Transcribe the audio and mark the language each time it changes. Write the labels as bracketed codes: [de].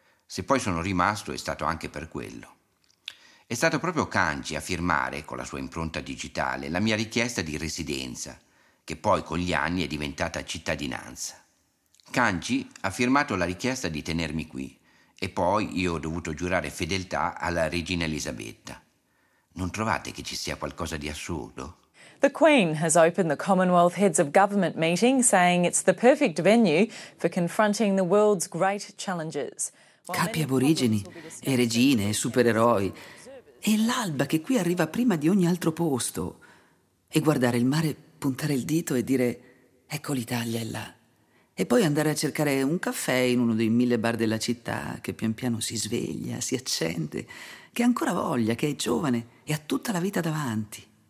[it] Se poi sono rimasto è stato anche per quello. È stato proprio Kanji a firmare, con la sua impronta digitale, la mia richiesta di residenza, che poi con gli anni è diventata cittadinanza. Kanji ha firmato la richiesta di tenermi qui e poi io ho dovuto giurare fedeltà alla regina Elisabetta. Non trovate che ci sia qualcosa di assurdo? [en] The Queen has opened the Commonwealth Heads of Government meeting saying it's the perfect venue for confronting the world's great challenges. [it] Capi aborigeni e regine e supereroi. E l'alba che qui arriva prima di ogni altro posto. E guardare il mare, puntare il dito e dire ecco l'Italia è là. E poi andare a cercare un caffè in uno dei mille bar della città che pian piano si sveglia, si accende, che ha ancora voglia, che è giovane e ha tutta la vita davanti.